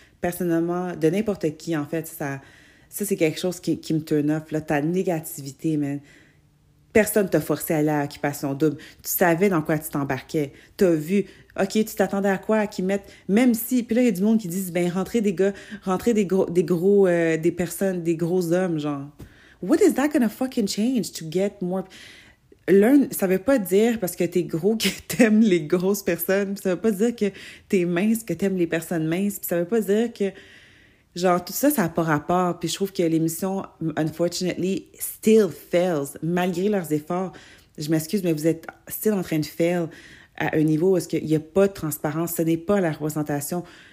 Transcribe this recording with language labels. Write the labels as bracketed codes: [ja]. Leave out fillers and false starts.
[fr] Personnellement, de n'importe qui, en fait, ça c'est quelque chose qui me turn off, là, ta négativité, man. Personne t'a forcé à aller à occupation double. Tu savais dans quoi tu t'embarquais. T'as vu. OK, tu t'attendais à quoi? À qu'ils mettent. Même si. Puis là, il y a du monde qui disent, ben, rentrez des gars, rentrez des personnes, des gros hommes, genre. [en] What is that gonna fucking change to get more. [fr] L'un, ça veut pas dire parce que t'es gros que t'aimes les grosses personnes. Ça veut pas dire que t'es mince, que t'aimes les personnes minces. Puis ça veut pas dire que. Genre, tout ça n'a pas rapport. Puis je trouve que l'émission, [en] unfortunately, still fails. [fr] Malgré leurs efforts, je m'excuse, mais vous êtes still en train de fail à un niveau où est-ce qu'il n'y a pas de transparence. Ce n'est pas la représentation.